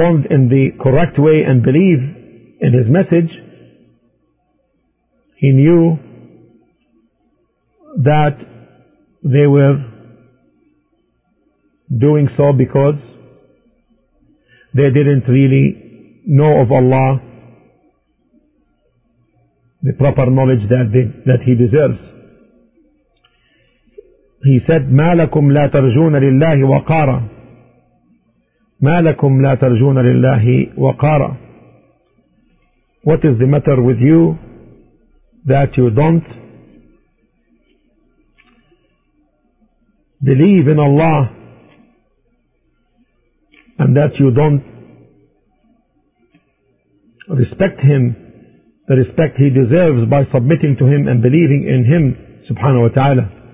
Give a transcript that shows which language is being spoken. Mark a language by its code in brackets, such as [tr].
[en] in the correct way and believe in his message, he knew that they were doing so because they didn't really know of Allah the proper knowledge that he deserves. He said, [ar] مَا لَكُمْ لَا تَرْجُونَ لِلَّهِ وَقَارًا مَا لَكُمْ لَا تَرْجُونَ لِلَّهِ وَقَارًا. [en] What is the matter with you that you don't believe in Allah and that you don't respect Him the respect He deserves by submitting to Him and believing in Him subhanahu wa ta'ala?